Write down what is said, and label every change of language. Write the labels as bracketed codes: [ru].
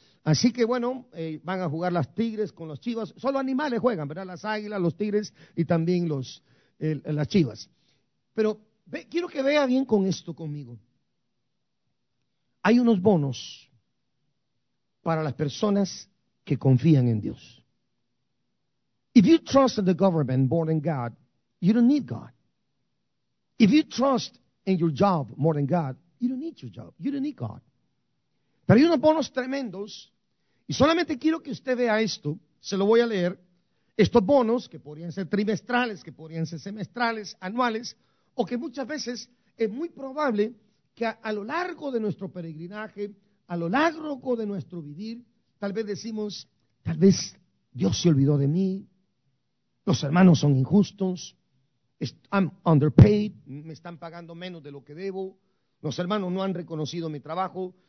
[es] Así que bueno, van a jugar las Tigres con los Chivas. Solo animales juegan, ¿verdad? Las Águilas, los Tigres y también las Chivas. Pero quiero que vea bien con esto conmigo. Hay unos bonos para las personas que confían en Dios. [en] If you trust in the government more than God, you don't need God. If you trust in your job more than God, you don't need your job. You don't need God. [es] Pero hay unos bonos tremendos. Y solamente quiero que usted vea esto, se lo voy a leer, estos bonos que podrían ser trimestrales, que podrían ser semestrales, anuales, o que muchas veces es muy probable que a lo largo de nuestro peregrinaje, a lo largo de nuestro vivir, tal vez decimos, tal vez Dios se olvidó de mí, los hermanos son injustos, [en] I'm underpaid, [es] me están pagando menos de lo que debo, los hermanos no han reconocido mi trabajo.